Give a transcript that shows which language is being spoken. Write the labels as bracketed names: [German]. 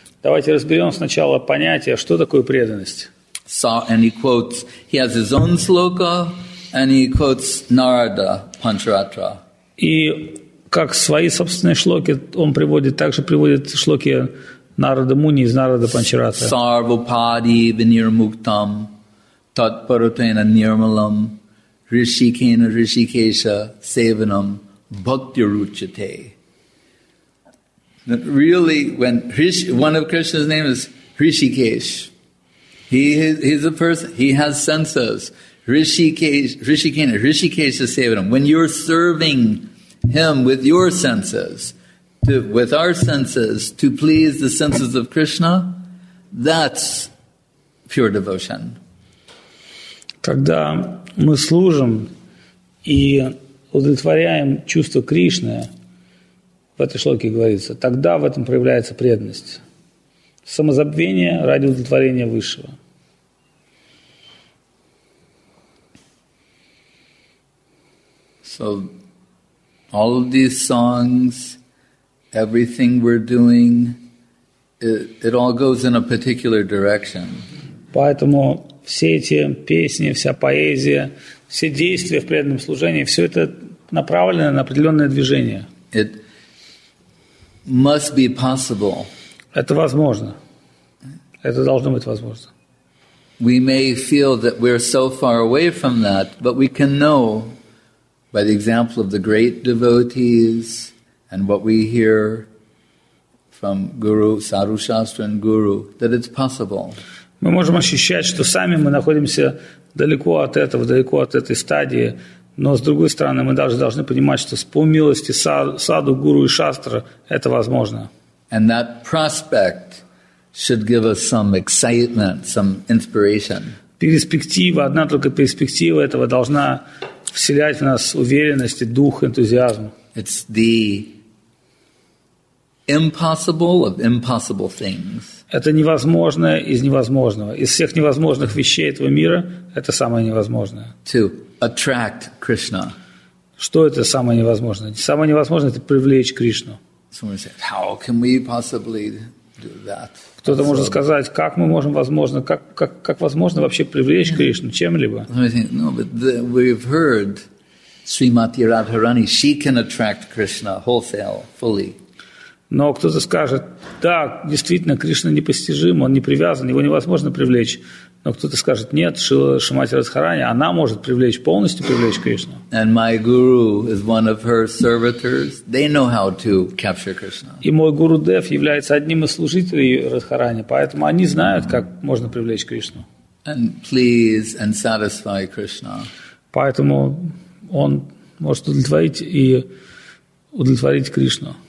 [Russian] Давайте разберем сначала понятие, что такое преданность. [English] So, and he quotes, he has his own sloka, and he quotes Narada Pancharatra. [Russian] И как свои собственные шлоки он приводит, также приводит шлоки Нарада Муни из Нарада Панчаратра. [Sanskrit] Sarvapadi vinirmuktam tatparatena nirmalam rishikena rishikesha sevanam bhaktiruchate. [English] Really, when one of Krishna's names is Rishikesh, he's a person, he has senses. [Sanskrit] Rishikesha Sevanam. [English] When you're serving him with your senses, with our senses, to please the senses of Krishna, that's pure devotion. [Russian] Когда мы служим и удовлетворяем чувство Кришны, в этой шлоке говорится, тогда в этом проявляется преданность. Самозабвение ради удовлетворения Высшего. [English] So, all of these songs, everything we're doing, it all goes in a particular direction. [Russian] Поэтому все эти песни, вся поэзия, все действия в преданном служении, все это направлено на определенное движение. [English] It must be possible. [Russian] Это возможно. Это должно быть возможно. [English] We may feel that we're so far away from that, but we can know by the example of the great devotees and what we hear from Guru, Sadhu Shastra and Guru, that it's possible. [Russian] Мы можем ощущать, что сами мы находимся далеко от этого, далеко от этой стадии, но, с другой стороны, мы даже должны понимать, что по милости Саду, Гуру и Шастра это возможно. [English] And that prospect should give us some excitement, some inspiration. [Russian] Перспектива, одна только перспектива этого должна вселять в нас уверенность, дух, энтузиазм. [English] It's the impossible of impossible things. [Russian] Это невозможное из невозможного. Из всех невозможных вещей этого мира это самое невозможное. [English] To attract Krishna. [Russian] Что это самое невозможное? Самое невозможное – это привлечь Кришну. [English] Someone said, how can we possibly do that? [Russian] Кто-то может сказать, как мы можем, возможно, как возможно вообще привлечь Кришну чем-либо? [English] No, but we've heard Srimati Radharani, she can attract Krishna wholesale, fully. [Russian] Но кто-то скажет, да, действительно, Кришна непостижим, он не привязан, его невозможно привлечь. Но кто-то скажет, нет, Шримати Радхарани, она может привлечь, полностью привлечь Кришну. [English] And my guru is one of her servitors. They know how to capture Krishna. [Russian] И мой гуру Дев является одним из служителей Радхарани, поэтому они знают, как можно привлечь Кришну. [English] And please and satisfy Krishna. [Russian] Поэтому он может удовлетворить и удовлетворить Кришну.